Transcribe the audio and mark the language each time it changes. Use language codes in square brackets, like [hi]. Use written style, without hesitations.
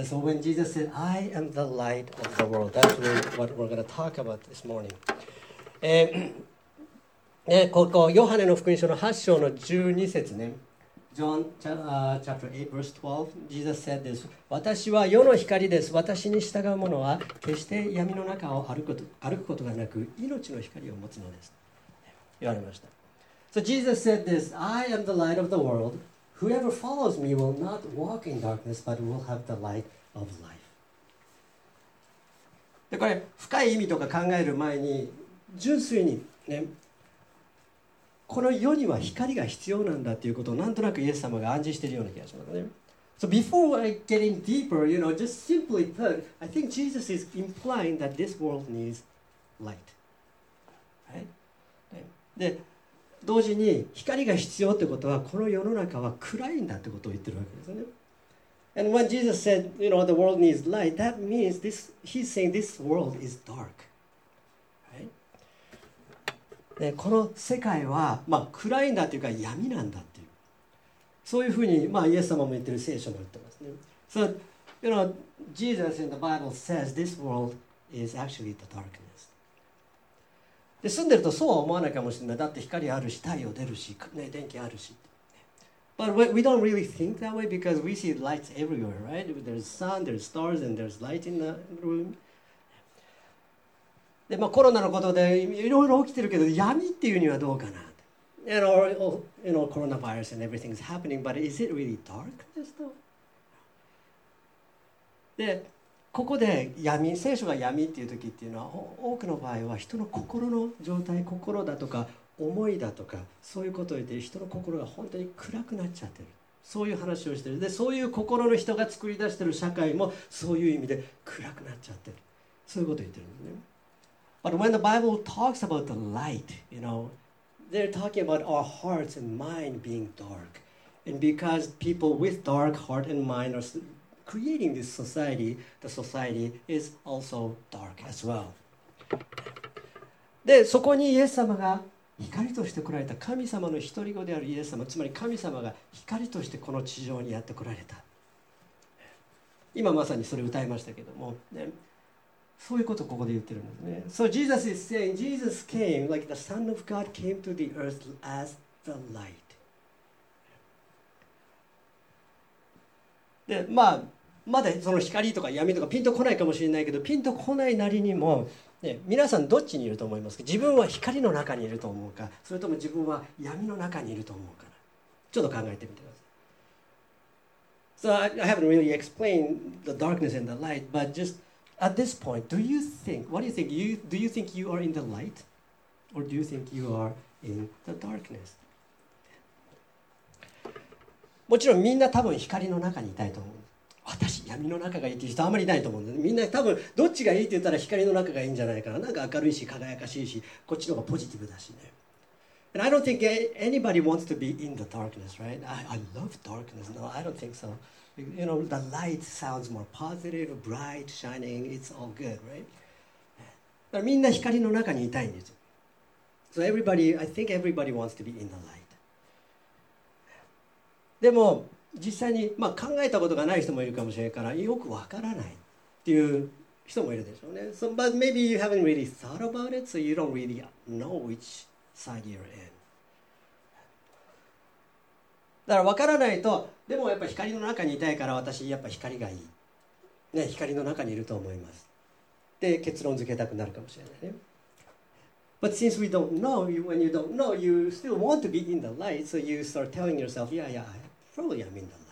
[en] So when Jesus said I am the light of the world, that's really what we're going to talk about this morning、 [ja] ね、ここヨハネの福音書の8章の12節ね、 [en] John chapter 8 verse 12, Jesus said this, [ja] 私は世の光です。私に従う者は決して闇の中を歩くことがなく命の光を持つのです。言われました。 [en] So Jesus said this, I am the light of the world. Whoever follows me will not walk in darkness, but will have the light of life. [ja] で、これ深い意味とか考える前に純粋にね、この世には光が必要なんだということをなんとなくイエス様が暗示しているような気がしますね。 [en] So before I get in deeper, you know, just simply put, I think Jesus is implying that this world needs light. Right? [ja] で、同時に光が必要ってことはこの世の中は暗いんだってことを言ってるわけですね。 [en] And when Jesus said, you know, the world needs light, that means this, he's saying this world is dark. [ja] でこの世界は、まあ、暗いんだというか闇なんだっていう、そういうふうに、まあ、イエス様も言ってる聖書も言ってますね。 [en] So, you know, Jesus in the Bible says this world is actually the darkness. [ja] で住んでるとそうは思わないかもしれない。だって光あるし、太陽出るし、ね、電気あるし。 [en] But we don't really think that way because we see lights everywhere, right? There's sun, there's stars, and there's light in the room. [ja] で、まあ、コロナのことでいろいろ起きてるけど、闇っていうにはどうかな？ [en] And all, you know, coronavirus and everything is happening, but is it really darkness though? [ja] で、ここで闇、聖書が闇っていう時っていうのは、多くの場合は人の心の状態、心だとか、思いだとか、そういうことを言って人の心が本当に暗くなっちゃってる。そういう話をしてる。で、そういう心の人が作り出してる社会もそういう意味で暗くなっちゃってる。そういうことを言ってるんですね。 [en] But when the Bible talks about the light, you know, they're talking about our hearts and mind being dark. And because people with dark heart and mind are creating this society, the society is also dark as well. [ja] で、そこにイエス様が光として来られた神様の一人子であるイエス様、つまり神様が光としてこの地上にやって来られた。今まさにそれ歌いましたけども、ね、そういうことをここで言ってるんですね。 [en] So Jesus is saying, Jesus came, like the Son of God came to the earth as the light. [ja] で、まあ、まだその光とか闇とかピンとこないかもしれないけど、ピンとこないなりにも、ね、皆さんどっちにいると思いますか？自分は光の中にいると思うか、それとも自分は闇の中にいると思うかな。ちょっと考えてみてください。 [en] So I haven't really explained the darkness and the light, but just at this point, do you think, what do you think? Do you think you are in the light? Or do you think you are in the darkness? [ja] もちろんみんな多分光の中にいたいと思う。私闇の中がいいって人あまりいないと思うんです。みんな多分どっちがいいって言ったら光の中がいいんじゃないかな。なんか明るいし輝かしいし、こっちの方がポジティブだしね。 [en] And I don't think anybody wants to be in the darkness, right? I love darkness. No, I don't think so. You know, the light sounds more positive, bright, shining. It's all good, right? [ja] だからみんな光の中にいたいんです。 [en] So everybody, I think everybody wants to be in the light. [ja] でも実際に、まあ、考えたことがない人もいるかもしれないから、よくわからないっていう人もいるでしょうね。 [en] So, but maybe you haven't really thought about it, so you don't really know which side you're in. [ja] だからわからないと、でもやっぱ光の中にいたいから私やっぱ光がいい。ね、光の中にいると思います。で、結論付けたくなるかもしれないね。 [en] But since we don't know, when you don't know, you still want to be in the light, so you start telling yourself, yeah, yeah,Probably I'm in the light.